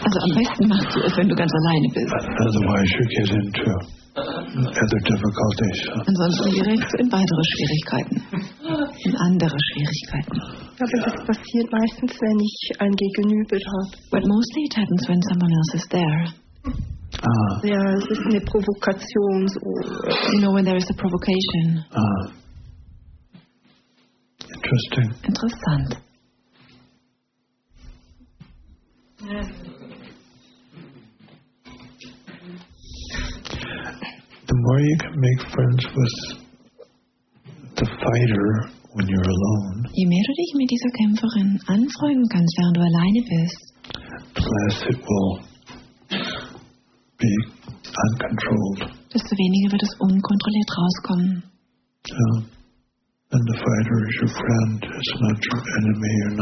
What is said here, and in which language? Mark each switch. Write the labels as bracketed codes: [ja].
[de] Also am besten machst du es, wenn du ganz alleine bist. [en] Otherwise you get into other difficulties. [de] Ansonsten gerätst du in weitere Schwierigkeiten. In andere Schwierigkeiten. Aber das passiert meistens, wenn ich ein Gegenüber habe. [en] But mostly it happens when someone else is there. Ah. [de] Ja, es ist eine Provokation. So. [en] You know, when there is a provocation. Ah. Interesting. [de] Interessant. [en] The more you can make friends with the fighter when you're alone. [de] Je mehr du dich mit dieser Kämpferin anfreunden kannst, während du alleine bist. [en] The less it will be uncontrolled. [de] Desto weniger wird es unkontrolliert rauskommen. [en] Yeah. And the fighter is your friend. It's not your enemy.